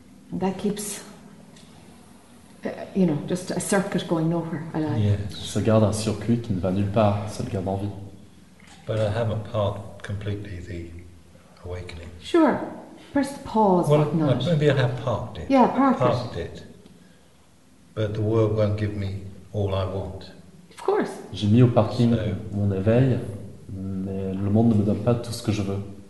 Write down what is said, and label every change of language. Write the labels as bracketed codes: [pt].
[en] And that keeps, you know, just a circuit going nowhere alive. Yes. [fr] Ça garde un circuit qui ne va nulle part, ça le garde en vie. [en] But I haven't part completely the awakening. Sure. First pause, well, but not. Maybe I have parked it. Yeah, parked it. But the world won't give me all I want. Of course. [fr] J'ai mis au parking mon éveil, mais le monde ne me donne pas tout ce que je veux.